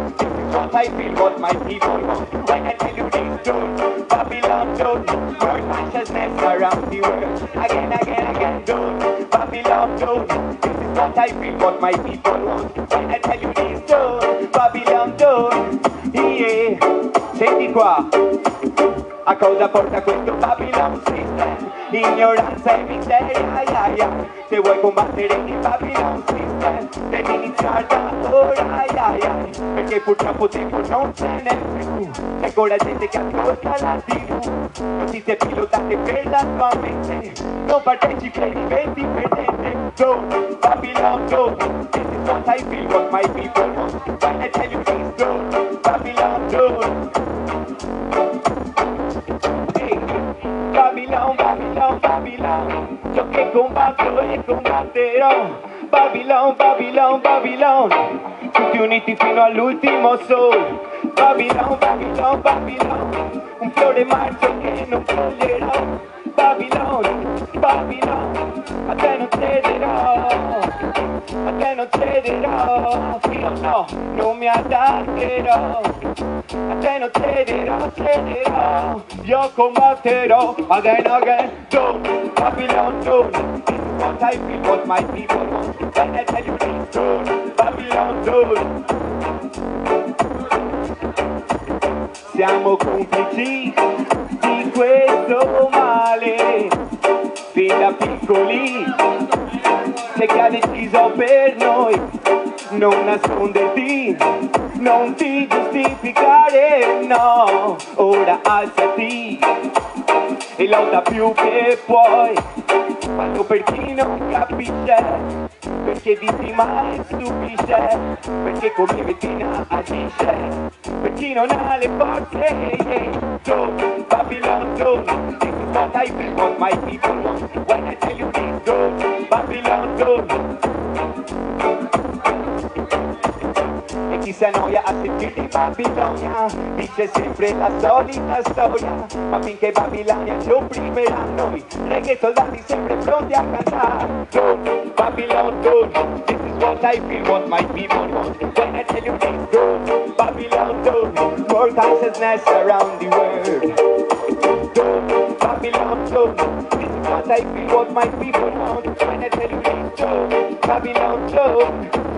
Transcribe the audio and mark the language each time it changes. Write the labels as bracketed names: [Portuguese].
[English] This is what I feel, what my people want. When I tell you this, don't Babylon, don't. Your consciousness around the world. Again, again, again, don't Babylon, don't. This is what I feel, what my people want. When I tell you this, don't Babylon, don't. [Italian] Yeah. Senti qua. A cosa porta questo Babylon system? Ignoranza e miseria, ai ai ai. Se vuoi combattere il Babylon system, devi iniziare da ora, ai ai ai. Perché purtroppo tempo non ce n'è più. C'è ancora gente che ascolta la TV. Notizie pilotate per la tua mente. Non partecipi e diventi perdente. [English] Go, Babylon, go. This is what I feel, what my people want. When I tell you this, go, Babylon, go. Babylon, Babylon, Babylon. [Spanish] Yo que combato y combatero. Babylon, Babylon, Babylon. [Italian] Tutti uniti fino all'ultimo sol. Babylon, Babylon, Babylon. Un fiore marzo che non toglierò. Babylon, Babylon. A te non cederò. A te non cederò. Io no, non mi attaccherò. A te non cederò, cederò. Io combatterò. [English] Again, again. Don't Babylon, don't. This is what I feel, what my people want. When I tell you this, don't Babylon, don't. [Italian] Siamo complici di questo male. Fin da piccoli c'è chi ha deciso per noi. Non nasconderti, non ti giustificare, no. Ora alzati e lotta più che puoi. Fallo per chi non capisce, perché dici male stupisce, perché come vetina agisce, per chi non ha le forze. [English] Don't Babylon, don't. This is what I feel, what my people want. When I tell you this, don't Babylon, don't. [Italian] Chi si annoia a sentirti Babilonia, dice sempre la solita storia. Ma finché Babilonia ci opprimerà noi, reggae soldati sempre pronti a cantare. [English] Don't Babylon, don't. This is what I feel, what my people want. When I tell you this, don't Babylon, don't. More consciousness around the world. Don't Babylon, don't. This is what I feel, what my people want. When I tell you this, don't Babylon, don't.